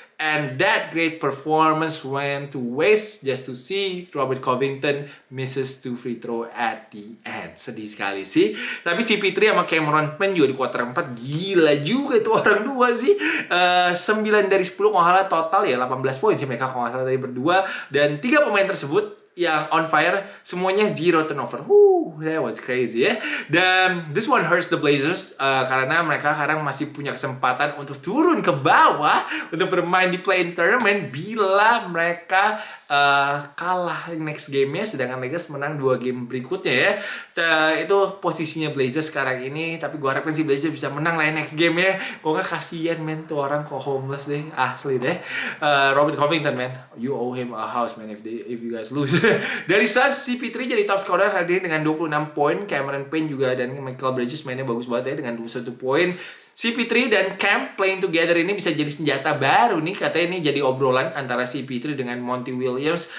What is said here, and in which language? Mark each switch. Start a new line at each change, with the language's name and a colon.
English: And that great performance went to waste just to see Robert Covington misses two free throw at the end.
Indonesian: Sedih sekali sih. Tapi si CP3 sama Cameron Payne juga di kuarter 4. Gila juga itu orang dua sih. 9 dari 10, kalau salah total ya 18 poin sih mereka kalau nggak salah tadi berdua. Dan 3 pemain tersebut yang on fire, semuanya zero turnover.
English: That was crazy
Indonesian: ya. Dan this one hurts the Blazers karena mereka sekarang masih punya kesempatan untuk turun ke bawah untuk bermain di play-in tournament bila mereka kalah next game-nya, sedangkan Lakers menang 2 game berikutnya ya. Itu posisinya Blazers sekarang ini. Tapi gue harapin sih Blazers bisa menang lah next game-nya. Kok gak kasihan men tuh orang, kok homeless deh. Asli deh.
English: Robert Covington man, you owe him a house man if you guys lose.
Indonesian: Dari Suns, CP3 jadi top scorer hari ini dengan 26 poin. Cameron Payne juga dan Michael Bridges mainnya bagus banget ya dengan 21 poin. CP3 dan Cam playing together ini bisa jadi senjata baru nih. Katanya ini jadi obrolan antara CP3 dengan Monty Williams.